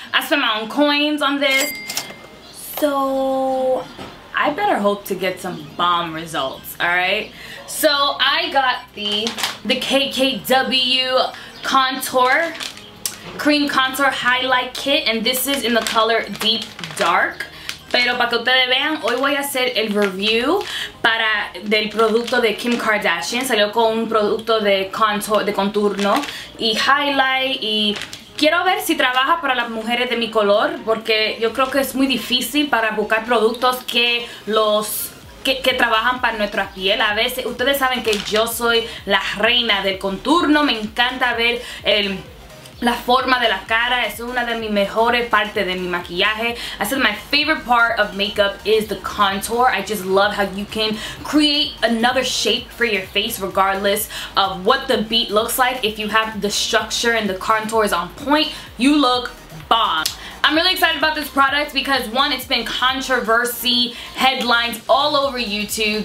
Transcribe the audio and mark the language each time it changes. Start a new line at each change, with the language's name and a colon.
English: I spent my own coins on this. So I better hope to get some bomb results, all right? So I got the KKW contour, cream contour highlight kit, and this is in the color Deep Dark.
Spanish: Pero para que ustedes vean, hoy voy a hacer el review para del producto de Kim Kardashian. Salió con un producto de contour, de contorno y highlight, y quiero ver si trabaja para las mujeres de mi color, porque yo creo que es muy difícil para buscar productos que los que trabajan para nuestra piel. A veces ustedes saben que yo soy la reina del contorno, me encanta ver el la forma de la cara, es una de mis mejores partes de mi maquillaje.
English: I said my favorite part of makeup is the contour. I just love how you can create another shape for your face regardless of what the beat looks like. If you have the structure and the contour is on point, you look bomb. I'm really excited about this product because one, it's been controversy, headlines all over YouTube.